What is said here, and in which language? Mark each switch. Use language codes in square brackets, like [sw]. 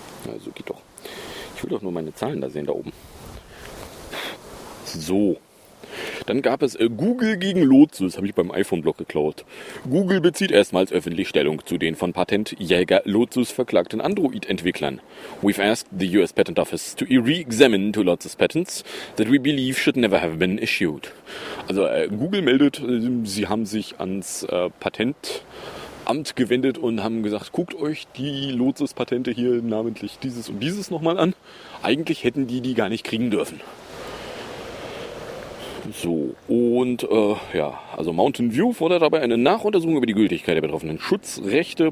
[de] Also geht doch. Ich will doch nur meine Zahlen da sehen, da oben. So, Dann gab es Google gegen Lotse, das habe ich beim iPhone-Blog geklaut. Google bezieht erstmals öffentlich Stellung zu den von Patentjäger Lotse verklagten Android-Entwicklern. [en] We've asked the US Patent Office to re-examine to Lotse's patents that we believe should never have been issued. [de] Also Google meldet, sie haben sich ans Patentamt gewendet und haben gesagt, guckt euch die Lotse's Patente hier, namentlich dieses und dieses nochmal an. Eigentlich hätten die gar nicht kriegen dürfen. So, und also Mountain View fordert dabei eine Nachuntersuchung über die Gültigkeit der betroffenen Schutzrechte.